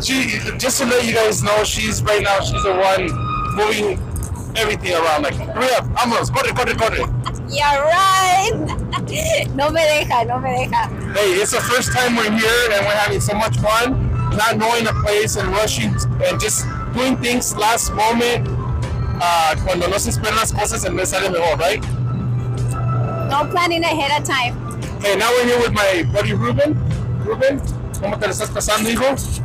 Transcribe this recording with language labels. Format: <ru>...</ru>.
<en>She, just to let you guys know, she's right now, she's the one moving everything around. Like, hurry up,</en> <es>vamos, corre, corre, corre.</es> <en>Yeah, right.</en> <es>No me deja.</es> <en>Hey, it's the first time we're here and we're having so much fun, not knowing a place and rushing and just doing things last moment.</en> <es>Cuando no se esperan las cosas, se me sale mejor, right?</es> <en>No planning ahead of time. Hey, now we're here with my buddy Ruben.</en> <es>Ruben, ¿cómo te estás pasando, hijo?</es>